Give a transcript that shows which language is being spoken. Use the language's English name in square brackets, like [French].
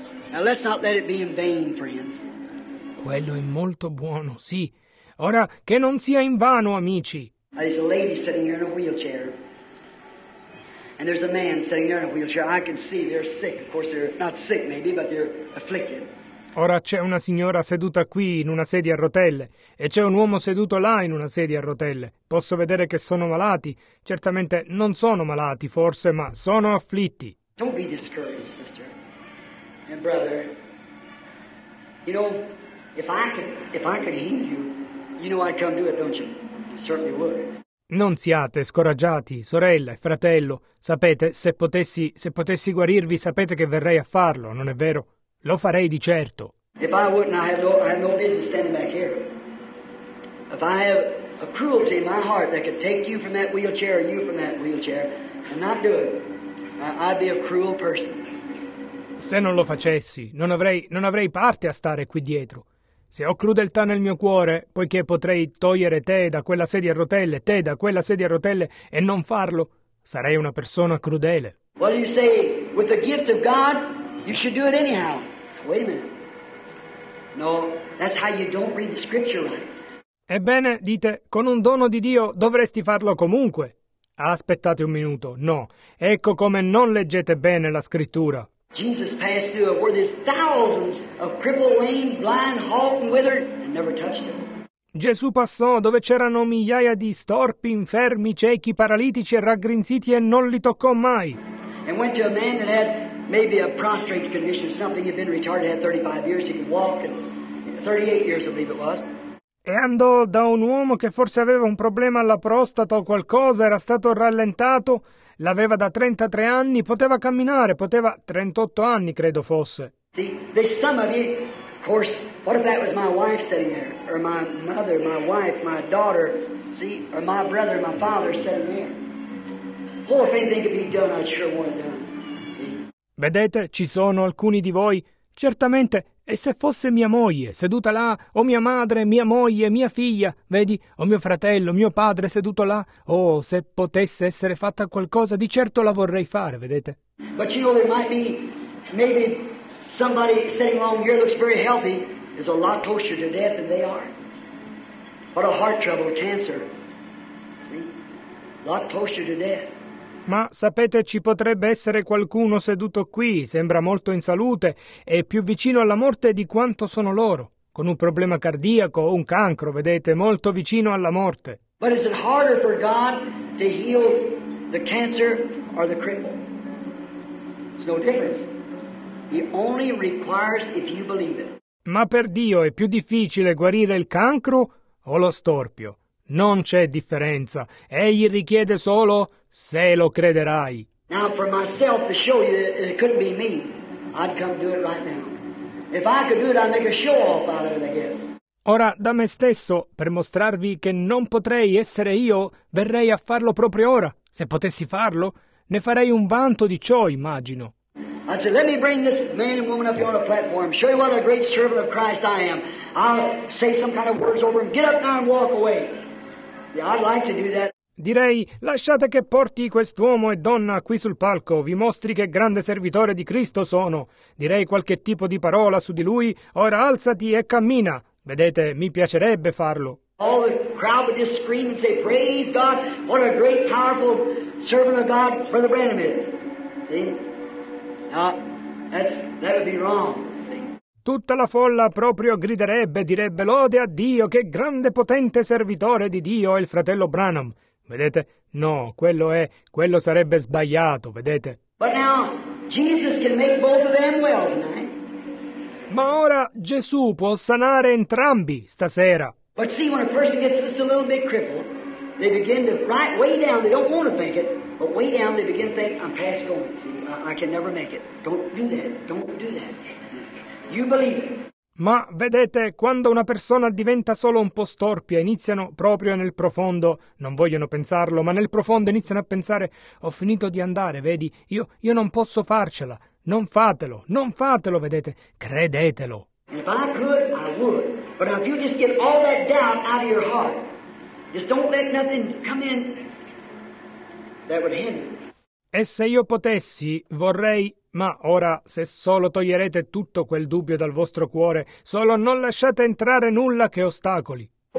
[English] Now let's not let it be in vain, friends. [Italian] Quello è molto buono, sì. Ora, che non sia in vano, amici. [English] There's a lady sitting here in a wheelchair. And there's a man sitting there in a wheelchair. I can see they're sick. Of course, they're not sick, maybe, but they're afflicted. [Italian] Ora c'è una signora seduta qui in una sedia a rotelle e c'è un uomo seduto là in una sedia a rotelle. Posso vedere che sono malati. Certamente non sono malati, forse, ma sono afflitti. [English] Don't be discouraged, sister. And brother, you know, if I could heal you, you know I'd come do it, don't you? Certainly would. [Italian] Non siate scoraggiati, sorella e fratello. Sapete, se potessi guarirvi, sapete che verrei a farlo, non è vero? Lo farei di certo. [English] If I wouldn't, I have no business standing back here. If I have a cruelty in my heart that could take you from that wheelchair or you from that wheelchair and not do it, I'd be a cruel person. [Italian] Se non lo facessi, non avrei parte a stare qui dietro. Se ho crudeltà nel mio cuore, poiché potrei togliere te da quella sedia a rotelle e non farlo, sarei una persona crudele. [English] Well, you say, with the gift of God, you should do it anyhow. Wait a minute. No, that's how you don't read the scripture right. [Italian] Ebbene, dite, con un dono di Dio dovresti farlo comunque. Aspettate un minuto. No, ecco come non leggete bene la scrittura. [English] Jesus passed through it where there's thousands of crippled, lame, blind, halt, and withered, and never touched him. [Italian] Gesù passò dove c'erano migliaia di storpi, infermi, ciechi, paralitici e raggrinziti e non li toccò mai. [English] And went to a man that had maybe a prostrate condition, something had been retarded, had 35 years, he could walk, and 38 years I believe it was. [Italian] E andò da un uomo che forse aveva un problema alla prostata o qualcosa, era stato rallentato, l'aveva da 33 anni, poteva camminare, poteva 38 anni credo fosse. [English] See, there's some of you, of course, what if that was my wife sitting there, or my mother, my wife, my daughter, see, or my brother, my father sitting there. Oh, if anything could be done, I'd sure want it done. [Italian] Vedete, ci sono alcuni di voi, certamente. E se fosse mia moglie seduta là, o mia madre, mia moglie, mia figlia, vedi, o mio fratello, mio padre seduto là, oh, se potesse essere fatta qualcosa, di certo la vorrei fare, vedete? [English] But you know, there might be, maybe somebody sitting along here looks very healthy, is a lot closer to death than they are. What a heart trouble, cancer. See? A lot closer to death. [Italian] Ma sapete, ci potrebbe essere qualcuno seduto qui, sembra molto in salute, è più vicino alla morte di quanto sono loro, con un problema cardiaco o un cancro, vedete, molto vicino alla morte. [English] But is it harder for God to heal the cancer or the cripple? It's no difference. He only requires if you believe it. [Italian] Ma per Dio è più difficile guarire il cancro o lo storpio? Non c'è differenza. Egli richiede solo se lo crederai. [English] Now for myself to show you that it couldn't be me, I'd come do it right now. If I could do it, I'd make a show off out of it, I guess. [Italian] Ora, da me stesso, per mostrarvi che non potrei essere io, verrei a farlo proprio ora. Se potessi farlo, ne farei un vanto di ciò, immagino. [English] I'd say, let me bring this man and woman up here on a platform, show you what a great servant of Christ I am. I'll say some kind of words over him, get up now and walk away. Yeah, I'd like to do that. [Italian] Direi, lasciate che porti quest'uomo e donna qui sul palco, vi mostri che grande servitore di Cristo sono. Direi qualche tipo di parola su di lui, ora alzati e cammina. Vedete, mi piacerebbe farlo. [English] All the crowd would just scream and say, praise God, what a great, powerful servant of God Brother Branham is. See? That would be wrong. [Italian] Tutta la folla proprio griderebbe, direbbe lode a Dio, che grande potente servitore di Dio è il fratello Branham. Vedete? No, quello sarebbe sbagliato, vedete? [English] But now, Jesus can make both of them well tonight. [Italian] Ma ora Gesù può sanare entrambi stasera. [English] But see, when a person gets just a little bit crippled, they begin to right way down, they don't want to make it, but way down they begin to think, I'm past going, see, I can never make it. Don't do that. You believe it. [Italian] Ma vedete, quando una persona diventa solo un po' storpia, iniziano proprio nel profondo, non vogliono pensarlo, ma nel profondo iniziano a pensare, ho finito di andare, vedi, io non posso farcela, non fatelo, vedete, credetelo. [English] If I could, I would, but if you just get all that doubt out of your heart, just don't let nothing come in, that would hinder. [Italian] E se io potessi, vorrei... Ma ora, se solo toglierete tutto quel dubbio dal vostro cuore, solo non lasciate entrare nulla che ostacoli.